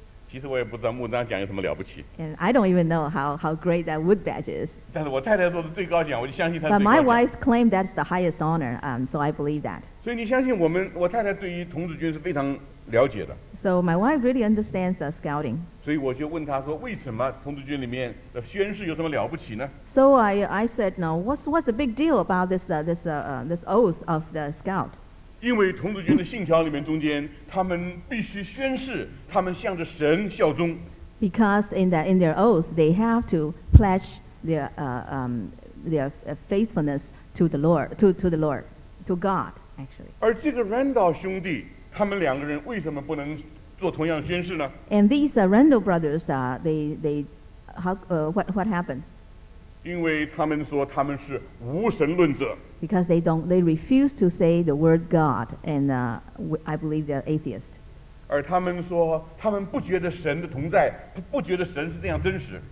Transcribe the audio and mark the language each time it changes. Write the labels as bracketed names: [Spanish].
[Chinese] 其实我也不知道木章奖有什么了不起。 [English] And I don't even know how great that wood badge is. [Chinese] 但是我太太说是最高奖，我就相信她是最高奖。 [English] But my wife claimed that's the highest honor, so I believe that. [Chinese] 所以你相信我太太对于童子军是非常了解的。 [English] So my wife really understands the scouting. [Chinese] 所以我就问她说，为什么童子军里面的宣誓有什么了不起呢？ [English] So I said, no, what's the big deal about this oath of the scout? [Chinese] 因为童子军的信条里面中间，他们必须宣誓，他们向着神效忠。 [English] Because in their oath, they have to pledge their faithfulness to the Lord, to the Lord, to God, actually. [Chinese] 而这个 Randall 兄弟，他们两个人为什么不能做同样宣誓呢？ [English] And these Randall brothers, what happened? [Chinese] 因为他们说他们是无神论者。 [English] Because they refuse to say the word God, and I believe they're atheist. [Chinese] 而他们说他们不觉得神的同在，不觉得神是这样真实。